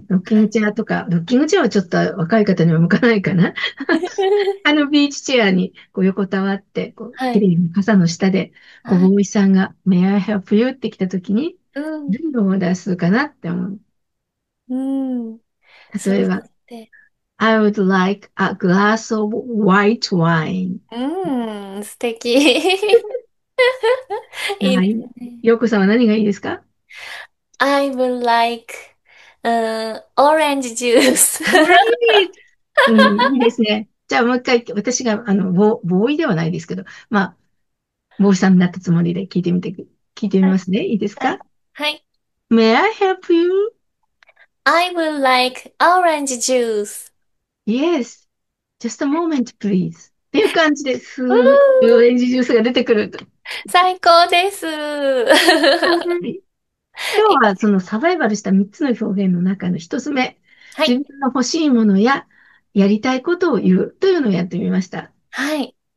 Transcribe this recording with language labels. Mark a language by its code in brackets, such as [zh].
[ja] ロッキングチェアとか、ロッキングチェアはちょっと若い方には向かないかな。ビーチチェアにこう横たわって、こう、綺麗な傘の下で、こう、ボーイさんが、 [en] May I help you? [ja] って来た時に、ルンルンを出すかなって思う。そう例えば、やって。 [en] I would like a glass of white wine. [ja] 素敵。いはいい。ようこさんは何がいいですか？ですね。 [en] I would like, orange juice. Great! [ja] いいですね。じゃあもう一回、私が、ボーイではないですけど、まあ、ボーイさんになったつもりで聞いてみますね。いいですか？ [en] May I help you? I would like orange juice. Yes, just a moment, please. [ja] っていう感じです。オレンジジュースが出てくると。最高です。はい。今日はそのサバイバルした3つの表現の中の1つ目、自分の欲しいものややりたいことを言うというのをやってみました。はい。